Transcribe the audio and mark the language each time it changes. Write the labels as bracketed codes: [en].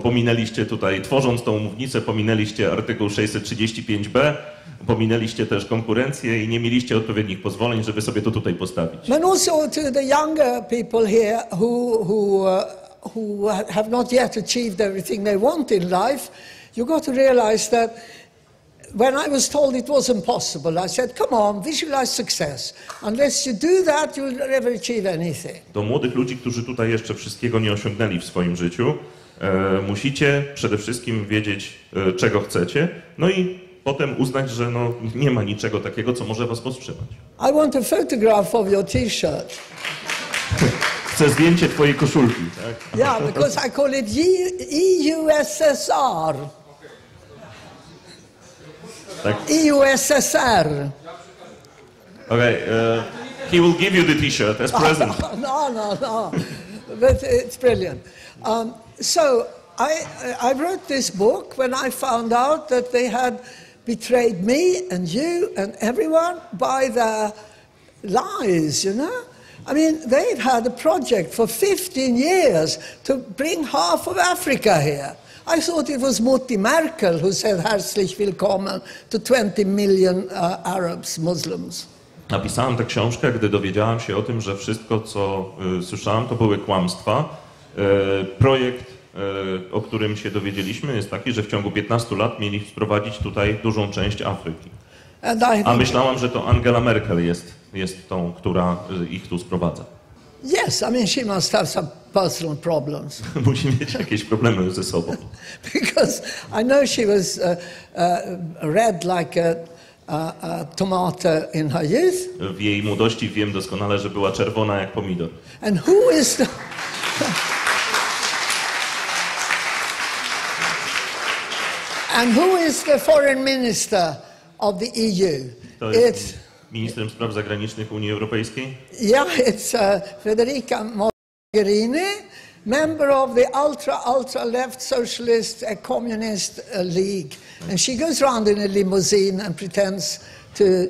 [pl] Pominęliście tutaj, tworząc tą mównicę, pominęliście artykuł 635B, pominęliście też konkurencję i nie mieliście odpowiednich pozwoleń, żeby sobie to tutaj postawić. [en] But also to the younger people here who have not yet achieved everything they want in life, you got to realize that when I was told it wasn't possible, I said, come on, visualize success. Unless you do that, you'll never achieve anything. [pl] Do młodych ludzi, którzy tutaj jeszcze wszystkiego nie osiągnęli w swoim życiu, musicie przede wszystkim wiedzieć, czego chcecie, no i potem uznać, że no, nie ma niczego takiego, co może was powstrzymać. [en] I want a photograph of your t-shirt. [pl] Chcę zdjęcie twojej koszulki. Tak? [en] Yeah, because I call it EUSSR. [pl] Tak. [en] EUSSR. Okay, he will give you the t-shirt as present. No. But it's brilliant. So I wrote this book when I found out that they had betrayed me and you and everyone by their lies, you know? I mean, they've had a project for 15 years to bring half of Africa here. I thought it was Mutti Merkel who said [de] herzlich willkommen [en] to 20 million Arabs, Muslims. [pl] Napisałem tę książkę, gdy dowiedziałem się o tym, że wszystko, co słyszałem, to były kłamstwa. Projekt, o którym się dowiedzieliśmy, jest taki, że w ciągu 15 lat mieli wprowadzić tutaj dużą część Afryki. A myślałam, że to Angela Merkel jest tą, która ich tu sprowadza. [en] Yes, I mean, she must have some personal problems. [pl] Musi mieć jakieś problemy ze sobą. [en] Because I know she was red like a tomato in her youth. [pl] W jej młodości wiem doskonale, że była czerwona jak pomidor. [en] And who is the... And who is the foreign minister of the EU? [pl] Ministrem spraw zagranicznych Unii Europejskiej? [en] Yeah, it's Federica Mogherini, member of the ultra left socialist communist league. And she goes around in a limousine and pretends to